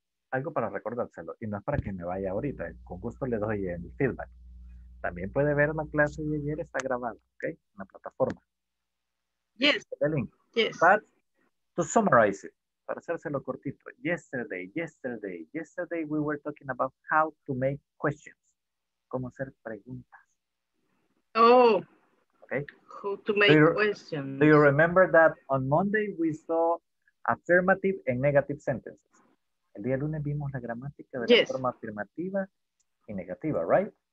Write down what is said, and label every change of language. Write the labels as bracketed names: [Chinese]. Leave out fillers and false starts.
[Spanish] Algo para recordárselo, y no es para que me vaya ahorita, con gusto le doy el feedback. También puede ver la clase de ayer, está grabada, ¿ok? En la plataforma. [English] Yes. [Spanish] El link. [English] Yes. But, to summarize it, [Spanish] para hacérselo cortito, [English] yesterday we were talking about how to make questions. [Spanish] ¿Cómo hacer preguntas? Oh. ¿Ok? [English] How to make questions. Do you remember that on Monday we saw affirmative and negative sentences? [Spanish] El día lunes vimos la gramática de la forma afirmativa y negativa, right?